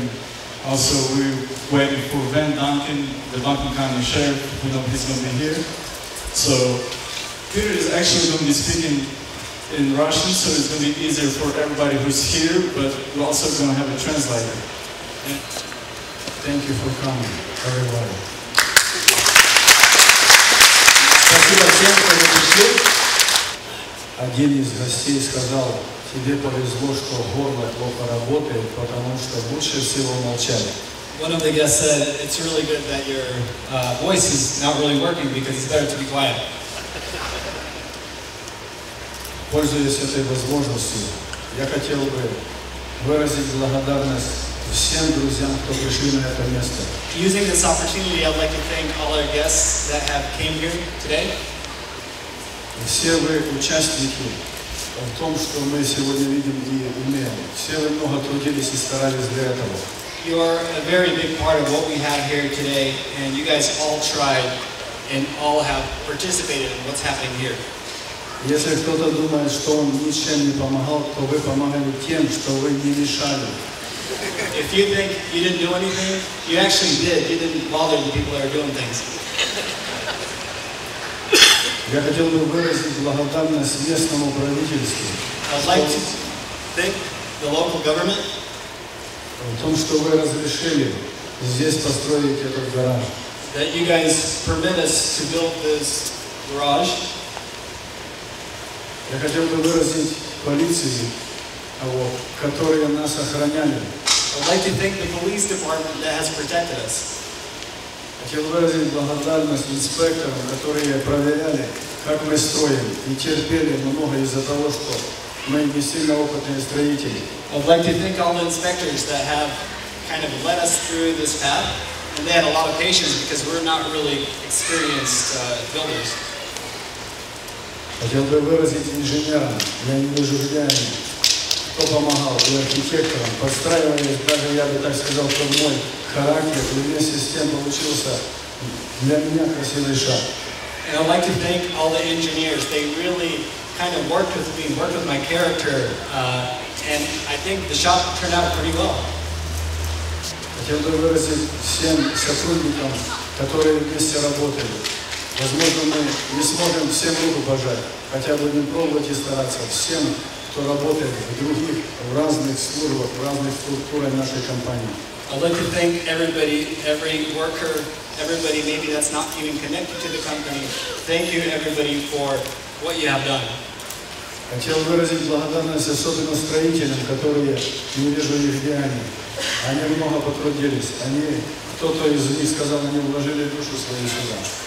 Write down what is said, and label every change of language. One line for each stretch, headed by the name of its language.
English: And also we're waiting for Van Duncan, the Duncan County Sheriff. We know he's going to be here. So Peter is actually going to be speaking in Russian, so it's going to be easier for everybody who's here, but we're also going to have a translator. And thank you for coming, everybody.
Russian: Спасибо всем, кто пришел. Один из гостей сказал, тебе повезло, что горло плохо работает, потому что лучше всего молчать.
English: One of the guests said, it's really good that your voice is not really working because it's better to be quiet.
Russian: Пользуясь этой возможностью, я хотел бы выразить благодарность всем друзьям, кто пришли на это место.
English: Using this opportunity, I'd like to thank all our guests that have came here today.
Russian: Все вы участники в том, что мы сегодня видим и умеем. Все вы много трудились и старались для этого.
English: You are a very big part of what we have here today, and you guys all tried and all have participated in what's happening here.
Russian: Если кто-то думает, что он ничем не помогал, то вы помогали тем, что вы не мешали.
English: If you think you didn't do anything, you actually did. You didn't bother the people that are doing things.
Russian: Я хотел бы выразить благодарность местному правительству.
English: I'd like to thank the local government.
Russian: В том, что вы разрешили здесь построить этот гараж.
English: That you guys permit us to build this garage.
Russian: Я хотел бы выразить полиции, которые нас охраняли.
English: I'd like to thank the police department that has protected us.
Russian: Хотел выразить благодарность инспекторам, которые проверяли, как мы строим, и терпели много из-за того, что мы не сильно опытные строители.
English: I'd like to thank all the inspectors that have kind of led us through this path, and they had a lot of patience because we're not really experienced builders.
Russian: Хотел бы выразить инженерам, я не выжигаю, кто помогал, и архитекторам, подстраивались, даже я бы так сказал, что мой характер, и вместе с тем получился для меня красивый шаг.
English: And I'd like to thank all the engineers. They really kind of worked with me, worked with my character, and I think the shop turned out pretty well.
Russian: Хотел бы выразить всем сотрудникам, которые вместе работали. Возможно, мы не сможем всем руку пожать, хотя бы не пробовать и стараться. Всем, кто работает в других, в разных службах, в разных структурах нашей компании.
English: I'd like to thank everybody, every worker, everybody maybe that's not even connected to the company. Thank you everybody for what you have done.
Russian: Хотел выразить благодарность особенно строителям, которые, не вижу их, где они. Они много потрудились. Они, кто-то из них сказал, они вложили душу свою сюда.